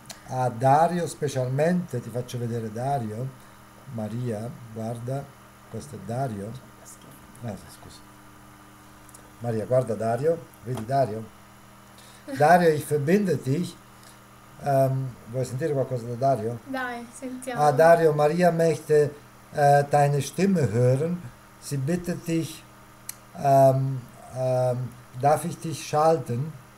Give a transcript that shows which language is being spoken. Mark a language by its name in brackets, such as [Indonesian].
[Italian] A Dario specialmente, ti faccio vedere Dario, Maria, guarda, questo è Dario. Ah, scusa. Maria, guarda Dario, vedi Dario? [German] Dario, ich verbinde dich. [Italian] Vuoi sentire qualcosa da Dario? Dai, Ah, sentiamo. [German] Dario, Maria möchte deine Stimme hören. Sie bittet dich, darf ich dich schalten?